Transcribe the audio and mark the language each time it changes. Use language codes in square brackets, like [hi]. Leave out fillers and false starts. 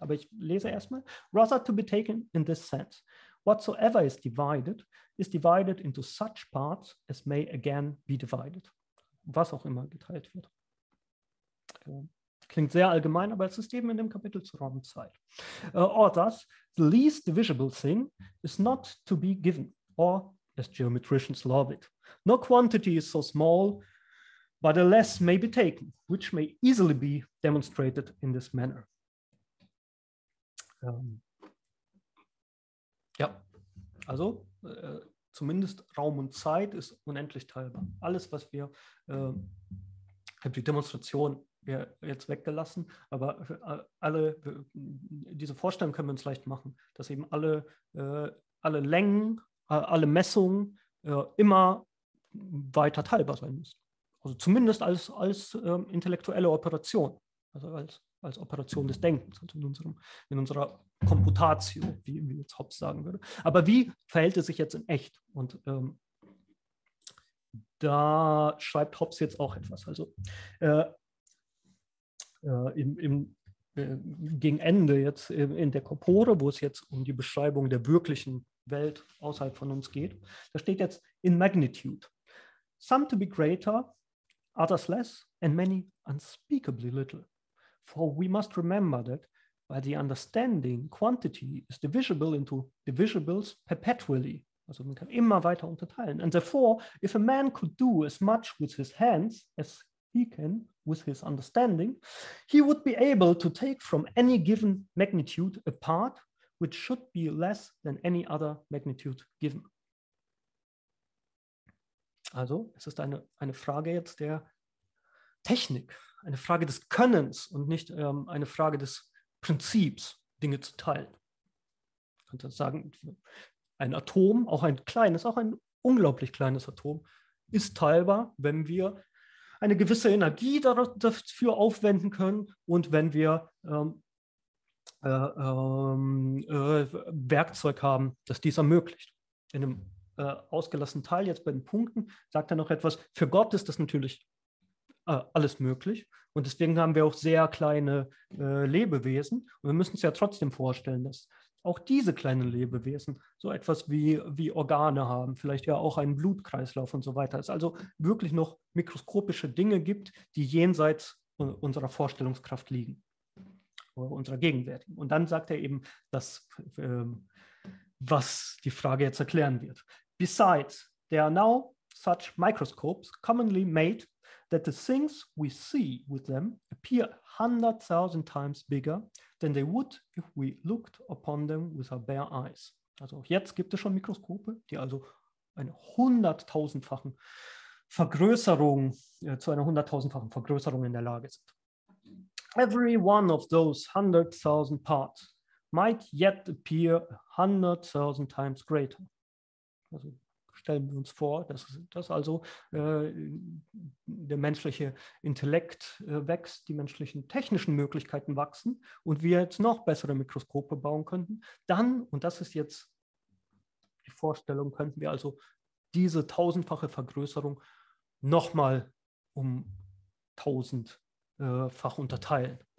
[de] Aber ich lese erstmal. [en] Rather to be taken in this sense. Whatsoever is divided into such parts as may again be divided. [de] Was auch immer geteilt wird. Klingt sehr allgemein, aber es ist eben in dem Kapitel zu Raum und Zeit. [en] Or thus, the least divisible thing is not to be given, or as geometricians love it. No quantity is so small, but a less may be taken, which may easily be demonstrated in this manner. [de] Ja, also zumindest Raum und Zeit ist unendlich teilbar. Alles, was wir, ich habe die Demonstration jetzt weggelassen, aber diese Vorstellung können wir uns leicht machen, dass eben alle Längen, alle Messungen immer weiter teilbar sein müssen. Also zumindest als intellektuelle Operation, also als Operation des Denkens, also in unserer Computatio, wie jetzt Hobbes sagen würde. Aber wie verhält es sich jetzt in echt? Und da schreibt Hobbes jetzt auch etwas. Also gegen Ende jetzt in der Corpore, wo es jetzt um die Beschreibung der wirklichen Welt außerhalb von uns geht, da steht jetzt in magnitude. [en] Some to be greater, others less, and many unspeakably little. For we must remember that by the understanding, quantity is divisible into divisibles perpetually. [de] Also man kann immer weiter unterteilen. [en] And therefore, if a man could do as much with his hands as he can with his understanding, he would be able to take from any given magnitude a part which should be less than any other magnitude given. [de] Also es ist eine Frage jetzt der Technik, eine Frage des Könnens und nicht eine Frage des Prinzips, Dinge zu teilen. Man kann sagen, ein Atom, auch ein kleines, auch ein unglaublich kleines Atom, ist teilbar, wenn wir eine gewisse Energie dafür aufwenden können und wenn wir Werkzeug haben, das dies ermöglicht. In einem ausgelassenen Teil, jetzt bei den Punkten, sagt er noch etwas, für Gott ist das natürlich alles möglich. Und deswegen haben wir auch sehr kleine Lebewesen. Und wir müssen es ja trotzdem vorstellen, dass auch diese kleinen Lebewesen so etwas wie Organe haben, vielleicht ja auch einen Blutkreislauf und so weiter. Es also wirklich noch mikroskopische Dinge gibt, die jenseits unserer Vorstellungskraft liegen, oder unserer gegenwärtigen. Und dann sagt er eben das, was die Frage jetzt erklären wird. [en] Besides, there are now such microscopes commonly made that the things we see with them appear 100,000 times bigger than they would if we looked upon them with our bare eyes. [de] Also jetzt gibt es schon Mikroskope, die also eine hunderttausendfachen Vergrößerung, zu einer hunderttausendfachen Vergrößerung in der Lage sind. [en] Every one of those 100,000 parts might yet appear 100,000 times greater. [de] Also stellen wir uns vor, dass also der menschliche Intellekt wächst, die menschlichen technischen Möglichkeiten wachsen und wir jetzt noch bessere Mikroskope bauen könnten, dann, und das ist jetzt die Vorstellung, könnten wir also diese tausendfache Vergrößerung nochmal um tausendfach unterteilen.